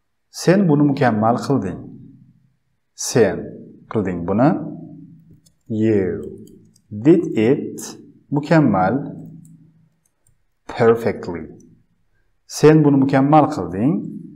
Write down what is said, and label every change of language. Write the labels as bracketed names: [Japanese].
[Turkish] Sen bunu mükemmel kıldın. Sen kıldın bunu. [English] You did it mükemmel perfectly. [Turkish] Sen bunu mükemmel kıldın.